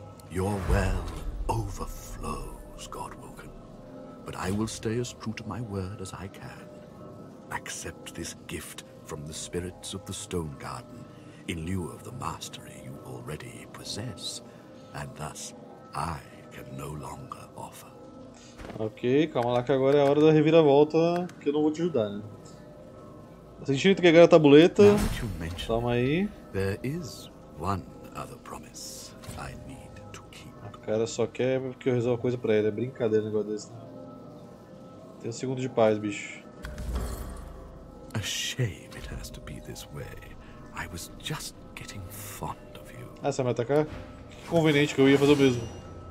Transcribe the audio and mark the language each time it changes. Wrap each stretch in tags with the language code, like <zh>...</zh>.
<en>Your well overflows, Godwoken. But I will stay as true to my word as I can. Accept this gift from the spirits of the Stone Garden in lieu of the mastery you already possess, and thus I can no longer offer.</en> <pt>Ok, calma lá que agora é a hora da reviravolta, que eu não vou te ajudar, né? Você tinha que pegar a tabuleta. Calma aí.</pt> <en>There is one other promise I need to keep.</en> <pt>O cara só quer que eu resolva coisa pra ele. É brincadeira um negócio desse, né? Tem um segundo de paz, bicho.</pt> <en>A shame it has to be this way. I was just getting fond of you.</en> <pt>Ah, você vai me atacar? Que conveniente que eu ia fazer o mesmo.</pt>